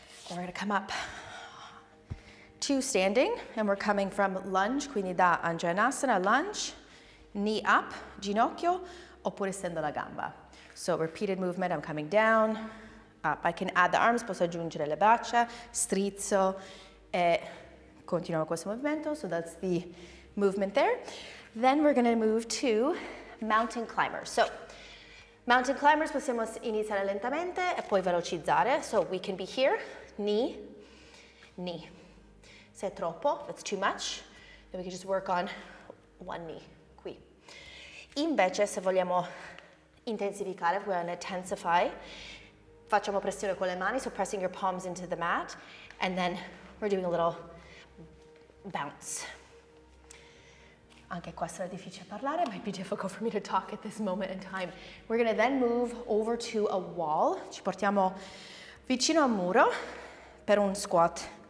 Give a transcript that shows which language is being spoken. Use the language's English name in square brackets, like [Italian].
[English] We're gonna come up to standing, and we're coming from lunge, [Italian] quindi da Anjanasana, [English] lunge, knee up, [Italian] ginocchio, oppure stendo la gamba. [English] So repeated movement, I'm coming down, up. I can add the arms, [Italian] posso aggiungere le braccia, strizzo e continuiamo questo movimento. [English] So that's the movement there. Then we're going to move to mountain climber. So [Italian] Mountain climbers possiamo iniziare lentamente e poi velocizzare. [English] So we can be here, knee, knee. [Italian] Se è troppo, [English] that's too much, then we can just work on one knee, qui. [Italian] Invece, se vogliamo intensificare, [English] we want to intensify, [Italian] facciamo pressione con le mani, [English] so pressing your palms into the mat, and then we're doing a little bounce. [Italian] Anche qua sarà difficile parlare, [English] might be difficult for me to talk at this moment in time. We're gonna then move over to a wall. [Italian] Ci portiamo vicino al muro per un squat.